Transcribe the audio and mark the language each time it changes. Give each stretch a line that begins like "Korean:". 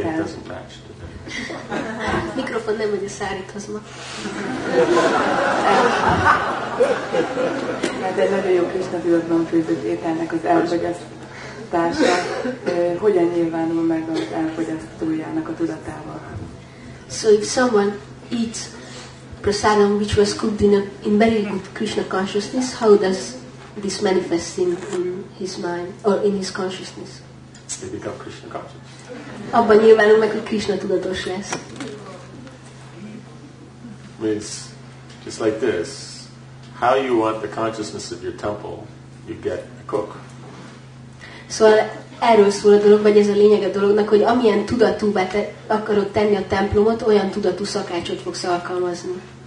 English: Hey, it doesn't match today. Mikrofon nem vagy a szárítasz ma.
Hungarian: Hát egy nagyon jó Krisna tudatban főzött ételnek az elfogyasztása. Hogyan nyilvánul meg az elfogyasztójának a tudatával?
English: So if someone eats prasadam, which was cooked in very good Krishna consciousness, how does this manifest in his mind or in his consciousness? He becomes Krishna conscious.
Hungarian: Abban nyilvánul meg, hogy Krishna tudatos lesz.
English: Means just like this, how you want the consciousness of your temple, you get a cook.
Hungarian: Szóval erről szól a dolog, vagy ez a lényeg a dolognak, hogy amilyen tudatúvá akarod tenni a templomot, olyan tudatú szakácsot fogsz alkalmazni.